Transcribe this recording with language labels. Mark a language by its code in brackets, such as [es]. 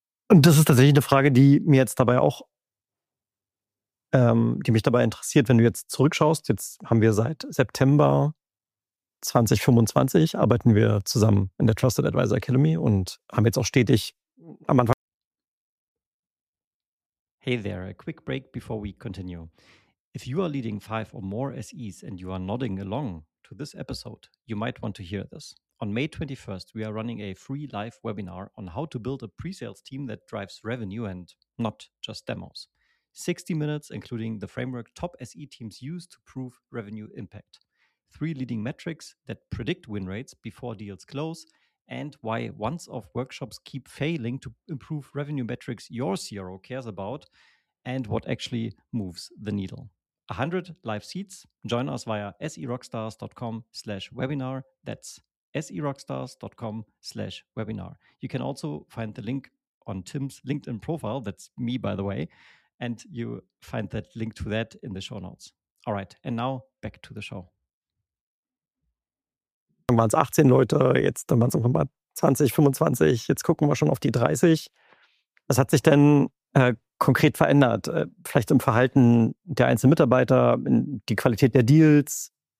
[de] Und das ist tatsächlich eine Frage, die mir jetzt dabei auch, die mich dabei interessiert, wenn du jetzt zurückschaust, jetzt haben wir seit September 2025, arbeiten wir zusammen in der Trusted Advisor Academy und haben jetzt auch stetig am Anfang [en] Hey there, a quick break before we continue. If you are leading 5 or more SEs and you are nodding along to this episode, you might want to hear this. On May 21st, we are running a free live webinar on how to build a pre-sales team that drives revenue and not just demos. 60 minutes, including the framework top SE teams use to prove revenue impact. 3 leading metrics that predict win rates before deals close, and why once-off workshops keep failing to improve revenue metrics your CRO cares about, and what actually moves the needle. 100 live seats. Join us via serockstars.com/webinar. That's serockstars.com/webinar. You can also find the link on Tim's LinkedIn profile. That's me, by the way. And you find that link to that in the show notes. All right. And now back to the show. [de] Dann waren es 18 Leute, jetzt waren es 20, 25, jetzt gucken wir schon auf die 30. Was hat sich denn konkret verändert? Vielleicht im Verhalten der einzelnen Mitarbeiter, in die Qualität der Deals?